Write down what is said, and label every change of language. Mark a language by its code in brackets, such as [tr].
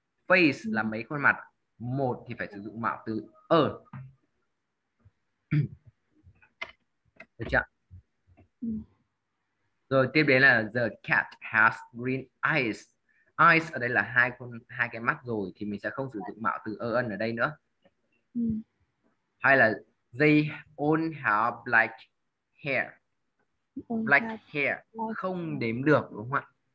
[vi] Face là mấy khuôn mặt. Một thì phải sử dụng mạo từ ơ. Được chưa? Rồi tiếp đến là [en] the cat has green eyes. [vi] Eyes ở đây là hai cái mắt rồi thì mình sẽ không sử dụng mạo từ an ở đây nữa. Hay là [en] they all have black hair. [vi] Black hair không đếm được đúng không ạ?